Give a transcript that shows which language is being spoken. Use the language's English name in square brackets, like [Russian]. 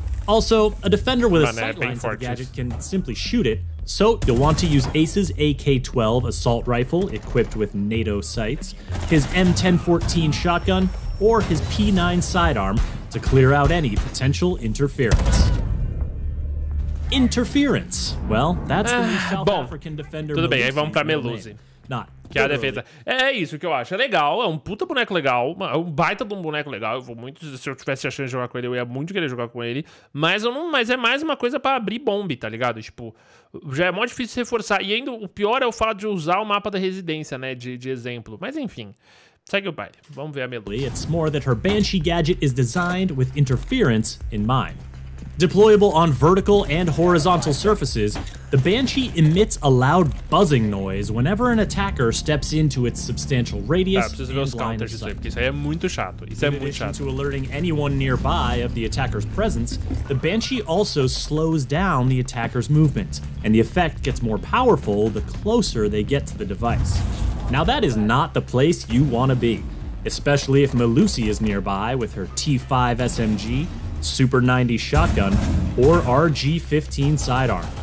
[English] Also, a defender with a sightline for a gadget can simply shoot it, so you'll want to use Ace's AK-12 assault rifle equipped with NATO sights, his M1014 shotgun, or his P9 sidearm to clear out any potential interference. Interference. Well, that's the new South African defender. [Portuguese] Tudo bem, aí vamos pra Melusi. [English] Not [Portuguese] Que é a defesa. É isso que eu acho. É legal, é um puta boneco legal. É um baita de um boneco legal. Eu vou muito. Se eu tivesse a chance de jogar com ele, eu ia muito querer jogar com ele. Mas eu não. Mas é mais uma coisa pra abrir bombe, tá ligado? Tipo, já é mó difícil reforçar. E ainda o pior é o fato de usar o mapa da residência, né? De exemplo. Mas enfim. Segue o baile. Vamos ver a Melody. [English] It's more that her Banshee gadget is designed with interference in mind. Deployable on vertical and horizontal surfaces, the Banshee emits a loud buzzing noise whenever an attacker steps into its substantial radius. [Portuguese] Ah, preciso ver os counters disso aí, porque isso aí é muito chato. Isso [English] in [Portuguese] é muito chato. [English] To alerting anyone nearby of the attacker's presence, the Banshee also slows down the attacker's movement, and the effect gets more powerful the closer they get to the device. Now that is not the place you want to be, especially if Melusi is nearby with her T5 SMG, Super 90 shotgun, or RG-15 sidearm.